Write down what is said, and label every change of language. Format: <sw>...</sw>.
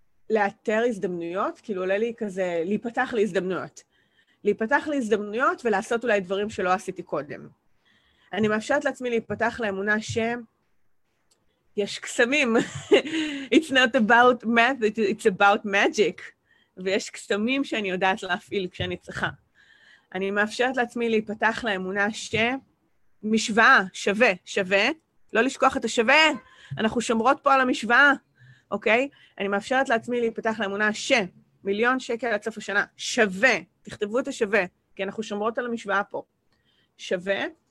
<he>לאתר הזדמנויות, כאילו עולה לי כזה, להיפתח להזדמנויות. להיפתח להזדמנויות ולעשות אולי דברים שלא עשיתי קודם. אני מאפשרת לעצמי להיפתח לאמונה ש... יש קסמים.</he> <en>It's not about math, it's about magic.</en> <he>ויש קסמים שאני יודעת להפעיל כשאני צריכה. אני מאפשרת לעצמי להיפתח לאמונה ש... משוואה, שווה, שווה. לא לשכוח את השווה. אנחנו שומרות פה על המשוואה. אוקיי? אני מאפשרת לעצמי להיפתח לאמונה ש... מיליון שקל עד סוף השנה. שווה. תכתבו את השווה, כי אנחנו שומרות על המשוואה פה. שווה.</he>